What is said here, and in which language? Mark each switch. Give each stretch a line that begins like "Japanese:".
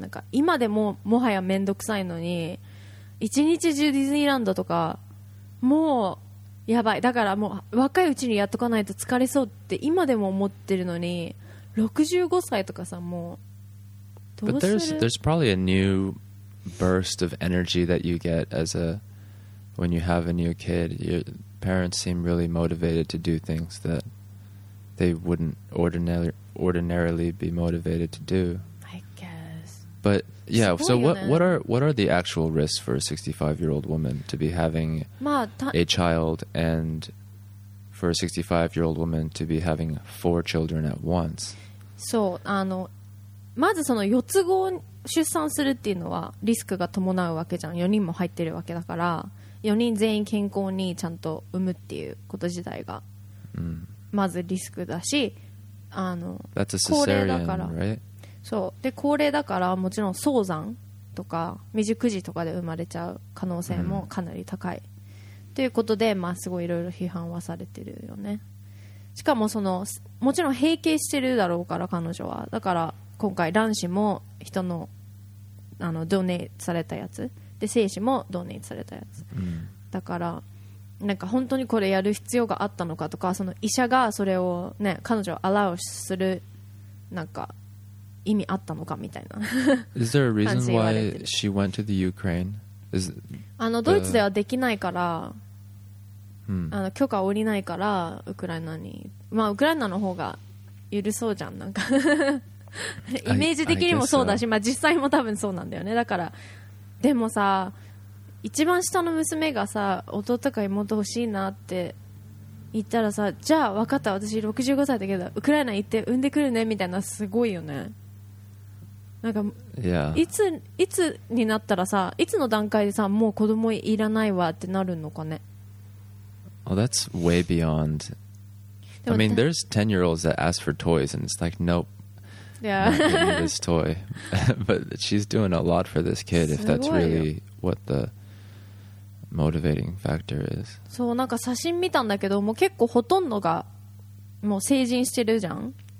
Japanese: なんか今でももはやめんどくさいのに、一日中ディズニーランドとか、もうやばい。だからもう若いうちにやっとかないと疲れそうって今でも思ってるのに、65歳とかさ、もう、
English: But there's probably a new burst of energy that you get as a when you have a new kid. Your parents seem really motivated to do things that they wouldn't ordinarily be motivated to do. I guess. But yeah, so what are the actual risks for a 65-year-old woman to be having a child, and for a 65-year-old woman to be having four children at once?
Japanese: そう、あの、まずその4つ子を出産するっていうのはリスクが伴うわけじゃん。 4人も入ってるわけだから、4人全員健康にちゃんと産むっていうこと自体がまずリスクだし、あの、
English: That's a cesarean,
Japanese: 高齢だから、
English: right?
Japanese: そうで、高齢だからもちろん早産とか未熟児とかで生まれちゃう可能性もかなり高いということで、まあすごいいろいろ批判はされてるよね。しかもそのもちろん閉経してるだろうから、彼女はだから今回卵子も人の、あの、ドネイトされたやつで、精子もドネイトされたやつ、うん、だからなんか本当にこれやる必要があったのかとか、その医者がそれをね、彼女をアラウするなんか意味あったのかみたいな
English: Is there a reason why she went to the Ukraine? Is it...
Japanese: あの、ドイツではできないから、あの、許可を下りないから、ウクライナに、まあウクライナの方が許そうじゃん、なんかイメージ的にもそうだし、まあ実際も多分そうなんだよね。だからでもさ、一番下の娘がさ、弟か妹欲しいなって言ったらさ、じゃあ分かった、私65歳だけどウクライナ行って産んでくるねみたいな、すごいよね。なんか、
English: yeah.
Japanese: いつになったらさ、いつの段階でさ、もう子供いらないわってなるのかね。
English: Oh, that's way beyond. I mean, there's 10-year-olds that ask for toys, and it's like, nope, yeah, not giving this toy. But she's doing a lot for this kid, if that's really what the motivating factor is.
Japanese: そう、なんか写真見たんだけど、もう結構ほとんどがもう成人してるじゃん。